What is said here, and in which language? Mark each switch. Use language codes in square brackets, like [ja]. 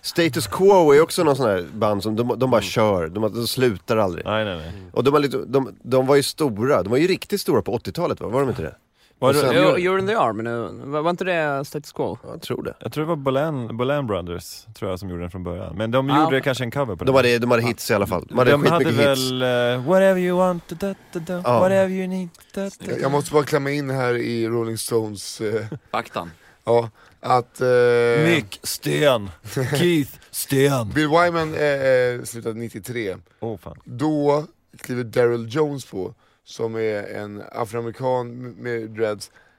[sv] Status Quo är också någon sån här band som de bara kör. De slutar aldrig. Nej. Och de var ju stora. De var ju riktigt stora på 80-talet. Var de inte det? You're in the Army nu. Var inte det Status Quo? Jag tror det. Jag tror det var Bolan Brothers tror jag, som gjorde den från början. Men de gjorde kanske en cover på det. De hade hits i alla fall. De hade väl hits. [en] Whatever you want, whatever you need. [sv] Jag måste bara klämma in här i Rolling Stones faktan. Ja, att Mick Sten, Keith Sten. Bill Wyman slutade 93. Oh, fan. Då kliver Daryl Jones på, som är en afroamerikan med dreads.